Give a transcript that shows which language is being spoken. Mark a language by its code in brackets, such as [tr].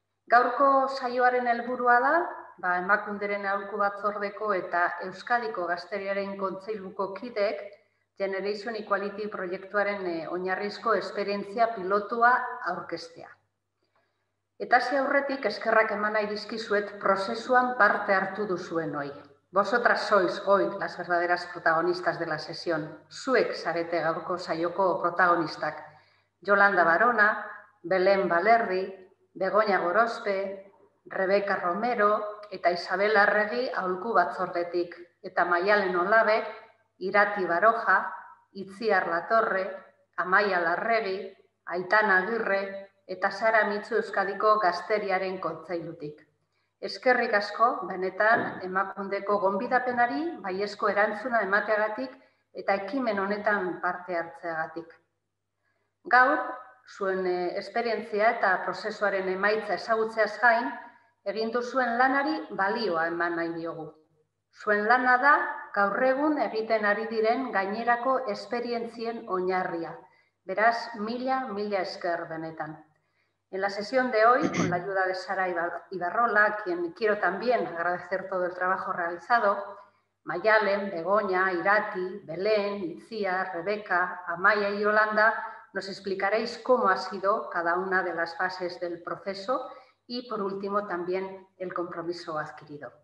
[eu] Gaurko saioaren helburua da, ba, emakunderen aholku batzordeko eta Euskadiko Gazteriaren Kontseiluko kidek Generation Equality proiektuaren oinarrizko esperientzia pilotua aurkeztea. Eta hasi aurretik eskerrak eman nahi dizkizuet prozesuan parte hartu duzuen hoi. [es] Vosotras sois hoy las verdaderas protagonistas de la sesión. [eu] Zuek zarete gaurko saioko protagonistak. Yolanda Barona, Belén Valerri, Begoña Gorospe, Rebeka Romero eta Isabel Arregi aholku batzordetik, eta Maialen Olabe, Irati Baroja, Itziar Latorre, Amaia Larregi, Aitana Agirre eta Sara Mitxu Euskadiko Gazteriaren Kontseilutik. Eskerrik asko benetan emakundeko gonbidapenari baiezko erantzuna emateagatik eta ekimen honetan parte hartzeagatik. Gaur zuen esperientzia eta prozesuaren emaitza ezagutzeaz gain, egin duzuen lanari balioa eman nahi diogu. Zuen lana da, gaur egun egiten ari diren gainerako esperientzien oinarria. Beraz, mila, mila esker benetan. [es] En la sesión de hoy, con la ayuda de Sara Ibarrola, quien quiero también agradecer todo el trabajo realizado, Maialen, Begoña, Irati, Belén, Itzia, Rebeka, Amaia y Yolanda, nos explicaréis cómo ha sido cada una de las fases del proceso y, por último, también el compromiso adquirido.